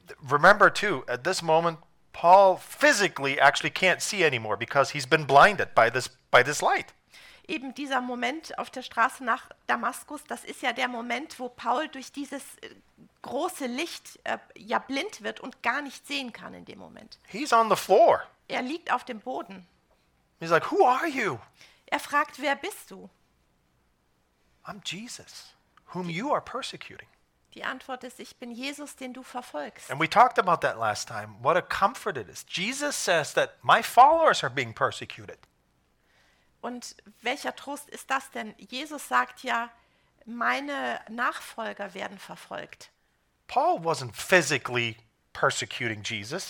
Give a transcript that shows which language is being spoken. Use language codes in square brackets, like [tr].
[en] Remember too, at this moment, Paul physically actually can't see anymore because he's been blinded by this light. [de] Eben dieser Moment auf der Straße nach Damaskus, das ist ja der Moment, wo Paul durch dieses große Licht ja blind wird und gar nicht sehen kann in dem Moment. [en] He's on the floor. [de] Er liegt auf dem Boden. [en] He's like, who are you? [de] Er fragt, wer bist du? [en] I'm Jesus, whom you are persecuting. [de] Die Antwort ist, ich bin Jesus, den du verfolgst. [en] And we talked about that last time. What a comfort it is. Jesus says that my followers are being persecuted. [de] Und welcher Trost ist das denn? Jesus sagt ja, meine Nachfolger werden verfolgt. [en] Paul wasn't physically persecuting Jesus.